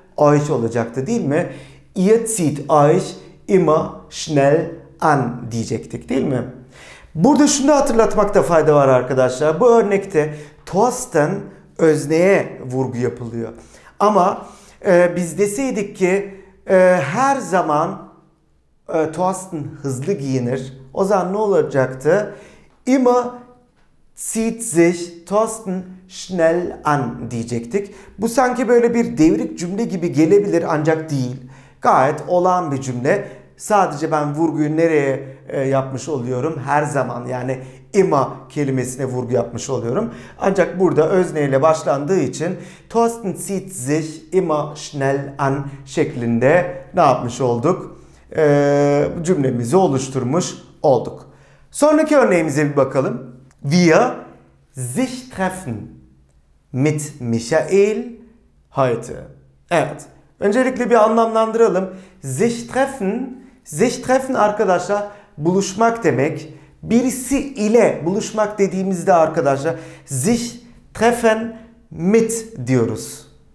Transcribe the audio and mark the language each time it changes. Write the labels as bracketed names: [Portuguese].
[Turkish] Euch olacaktı değil mi? [German] Ihr zieht euch immer schnell an [Turkish] diyecektik değil mi? Burada şunu da hatırlatmakta fayda var arkadaşlar. Bu örnekte Thorsten özneye vurgu yapılıyor. Ama biz deseydik ki her zaman Thorsten hızlı giyinir. O zaman ne olacaktı? [German] Immer zieht sich Thorsten schnell an diyecektik. [Turkish] Bu sanki böyle bir devrik cümle gibi gelebilir ancak değil. Gayet olağan bir cümle. Sadece ben vurguyu nereye yapmış oluyorum? Her zaman yani immer kelimesine vurgu yapmış oluyorum. Ancak burada özneyle başlandığı için [German] Thorsten zieht sich immer schnell an [Turkish] şeklinde ne yapmış olduk? Cümlemizi oluşturmuş olduk. Sonraki örneğimize bir bakalım. [German] Wir sich treffen mit Michael heute. [Turkish] Evet. Öncelikle bir anlamlandıralım. Sich treffen, sich treffen arkadaşlar buluşmak demek. Birisi ile buluşmak dediğimizde arkadaşlar sich treffen mit diyoruz.